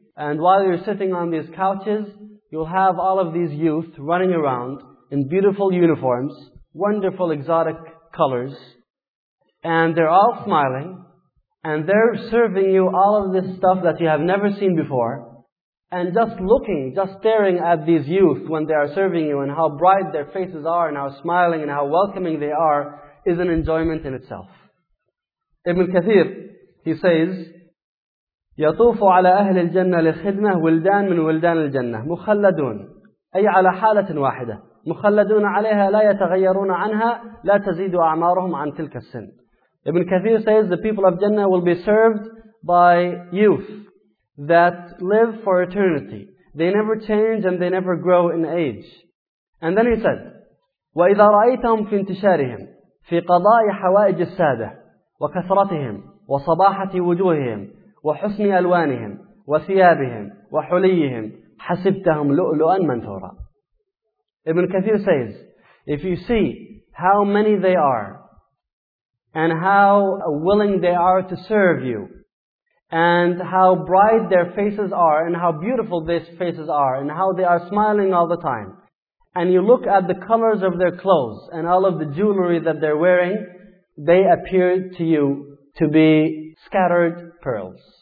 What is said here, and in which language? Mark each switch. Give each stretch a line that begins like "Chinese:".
English: And while you're sitting on these couches, you'll have all of these youth running around in beautiful uniforms, wonderful exotic colors, and they're all smiling, and they're serving you all of this stuff that you have never seen before, and just looking, just staring at these youth when they are serving you, and how bright their faces are, and how smiling, and how welcoming they are, is an enjoyment in itself. Ibn Kathir, he says,
Arabic: يَطُوفُ عَلَىٰ أَهْلِ الْجَنَّةِ لِخِدْمَةِ وِلْدَانٍ مِنْ وِلْدَانِ الْجَنَّةِ مُخَلَّدُونَ أي على حالة واحدة مُخَلَّدُونَ عَلَيْهَا لَا يَتَغَيَّرُونَ عَنْهَا لَا تَزِيدُ أَعْمَارُهُمْ عَنْ تِلْكَ السِّنِ.
English: Ibn Kathir says the people of Jannah will be served by youth that live for eternity. They never change and they never grow in age. And then he said,
Arabic: وَإِذَا رَأَيْتَهُمْ فِي انْتِشَارِهِمْ فِي قَضَاءِ حَوَائِجِ السَّادَةِ وَكَثْرَتِهِمْ وَصَبَاحَةِ وُجُوهِهِمْ وَحُسْنِ أَلْوَانِهِمْ وَثِيَابِهِمْ وَحُلِيِّهِمْ حَسِبْتَهُمْ لُؤْلُؤًا مَنْثُورًا.
English: Ibn Kathir says, if you see how many they are, and how willing they are to serve you, and how bright their faces are, and how beautiful these faces are, and how they are smiling all the time, and you look at the colors of their clothes, and all of the jewelry that they're wearing, they appear to you to be scattered pearls.